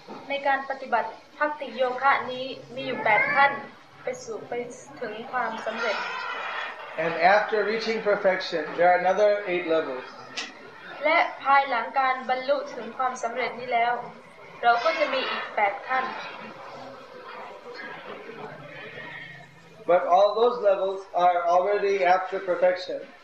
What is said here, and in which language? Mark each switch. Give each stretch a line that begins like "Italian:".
Thai: ในการปฏิบัติภักดิโยคะนี้มีอยู่ 8 ขั้นไปสู่ไปถึงความสำเร็จ
English: And after reaching perfection, there are another 8 levels.
Thai: และภายหลังการบรรลุถึงความสำเร็จนี้แล้วเราก็จะมีอีก8ขั้น
English: But all those levels are already after perfection.